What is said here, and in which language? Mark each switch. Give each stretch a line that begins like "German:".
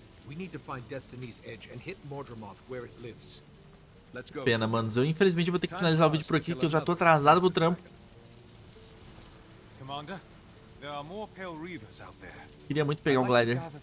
English: We need to find Destiny's Edge and hit Mordremoth where it lives. Let's go.
Portuguese: Pena, mano. Eu infelizmente vou ter que finalizar o vídeo por aqui, que eu já tô atrasado pro trampo.
English: Commander, there are more Pale Reavers out there.
Portuguese: Queria muito pegar um glider.